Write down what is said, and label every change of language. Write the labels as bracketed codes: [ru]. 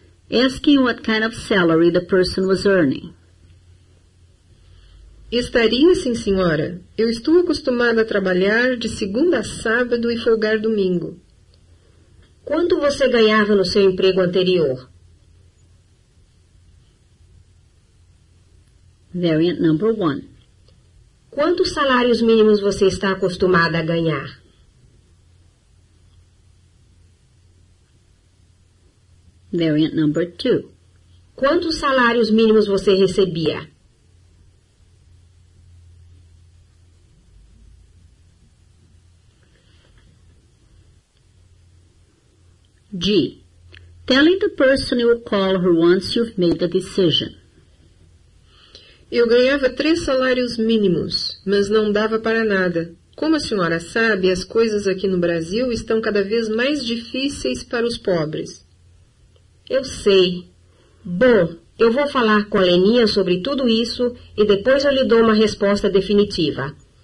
[en] Asking what kind of salary the person was earning. [pt] Estaria, sim, senhora. Eu estou acostumada a trabalhar de segunda a sábado e folgar domingo. Quanto você ganhava no seu emprego anterior? [en] Variant number one. [pt] Quantos salários mínimos você está acostumada a ganhar? [en] Variant number two. [pt] Quantos salários mínimos você recebia? G. [en] Telling the person you call her once you've made the decision. [pt] Eu ganhava 3 salários mínimos, mas não dava para nada. Como a senhora sabe, as coisas aqui no Brasil estão cada vez mais difíceis para os pobres. Eu sei. Bom, eu vou falar com a Leninha sobre tudo isso e depois eu lhe dou uma resposta definitiva.